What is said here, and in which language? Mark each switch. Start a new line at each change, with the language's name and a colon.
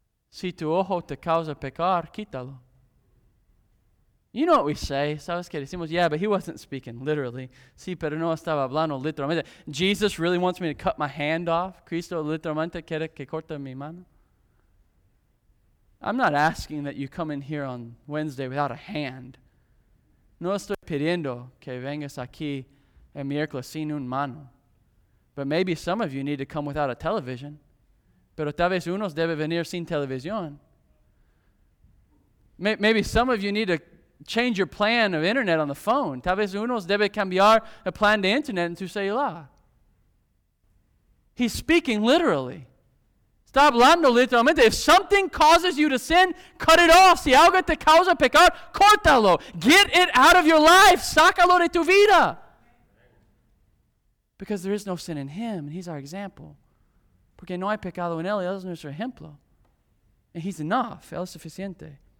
Spanish: Si tu ojo te causa pecar, quítalo.
English: You know what we say.
Spanish: ¿Sabes qué decimos?
English: Yeah, but he wasn't speaking literally.
Spanish: Sí, pero no estaba hablando literalmente.
English: Jesus really wants me to cut my hand off.
Spanish: Cristo literalmente quiere que corte mi mano.
English: I'm not asking that you come in here on Wednesday without a hand.
Spanish: No estoy pidiendo que vengas aquí el miércoles sin un mano.
English: But maybe some of you need to come without a television.
Spanish: Pero tal vez unos debe venir sin televisión.
English: Maybe some of you need to change your plan of internet on the phone.
Spanish: Tal vez unos debe cambiar el plan de internet en tu celular.
English: He's speaking literally.
Spanish: Está hablando literalmente.
English: If something causes you to sin, cut it off.
Spanish: Si algo te causa pecar, córtalo.
English: Get it out of your life.
Spanish: Sácalo de tu vida.
English: Because there is no sin in him. And he's our example.
Spanish: Porque no hay pecado en él. Él es nuestro ejemplo.
English: And he's enough.
Spanish: Él es suficiente.